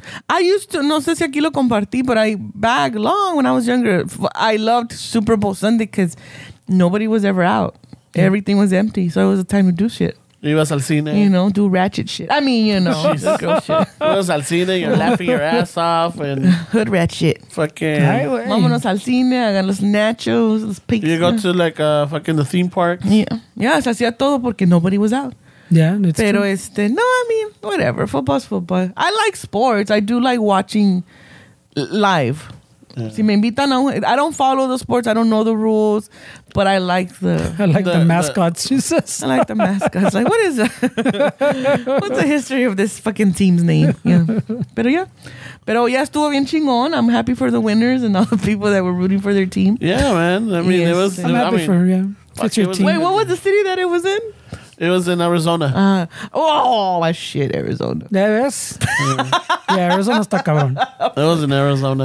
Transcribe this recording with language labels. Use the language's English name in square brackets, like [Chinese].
[English] I used to, [Spanish] no sé si aquí lo compartí, [English] but I, back long when I was younger, I loved Super Bowl Sunday because nobody was ever out. Yeah. Everything was empty. So it was a time to do shit. [Spanish] Ibas al cine. [English] You know, do ratchet shit. I mean, you know. Jesus. Girl shit. [Spanish] Ibas al cine, [English] you're laughing your ass off. And hood ratchet. Fucking. [Spanish] Vámonos al cine, hagan los nachos, los pizza. [English] You go to like fucking the theme park. Yeah. Yeah, [Spanish] se hacía todo porque [English] nobody was out. Yeah, it's pero true. Este, no, I mean, whatever. Football's football. I like sports. I do like watching live. Yeah. [Spanish] Si me invitan a, [English] I don't follow the sports. I don't know the rules, but I like the. I like the mascots. She says. I like the mascots. Like, what is? What's the history of this fucking team's name? [Spanish] Yeah, pero yeah, pero ya estuvo bien chingón. [English] I'm happy for the winners and all the people that were rooting for their team. Yeah, man. I mean, yes. It was. I'm happy I mean, for yeah. It's your team. Wait, what was the city that it was in? It was in Arizona. Arizona. Yeah, yes. Yeah. Yeah, Arizona [Spanish] está cabrón. [English] It was in Arizona.